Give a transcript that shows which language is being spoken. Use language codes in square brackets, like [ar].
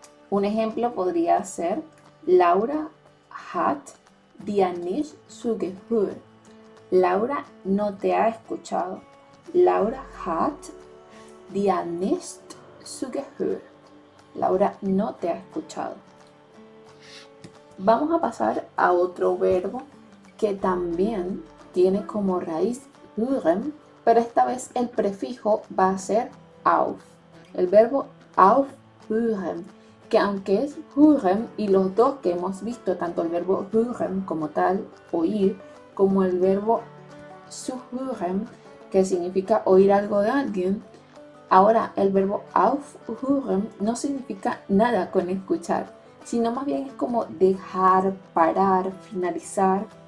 [es] Un ejemplo podría ser [de] Laura hat dir nicht zugehört. [es] Laura no te ha escuchado. [de] Laura hat dir nicht zugehört. [es] Laura no te ha escuchado. Vamos a pasar a otro verbo que también tiene como raíz hören, pero esta vez el prefijo va a ser auf. El verbo aufhören, que aunque es hören y los dos que hemos visto, tanto el verbo hören como tal, oír, como el verbo zuhören, que significa oír algo de alguien, ahora el verbo aufhören no significa nada con escuchar, sino más bien es como dejar, parar, finalizar.